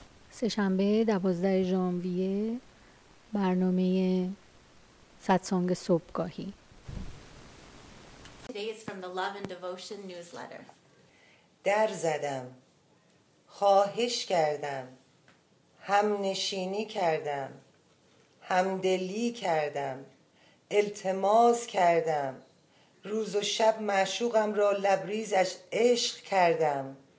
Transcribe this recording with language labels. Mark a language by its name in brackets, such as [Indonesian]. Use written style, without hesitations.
[Persian] سه‌شنبه 12 ژانویه، برنامه ستسانگ صبحگاهی. [English] Today is from the Love and Devotion newsletter. [Persian] در زدم، خواهش کردم، هم نشینی کردم، هم دلی کردم، التماس کردم، روز و شب معشوقم را لبریزش عشق کردم.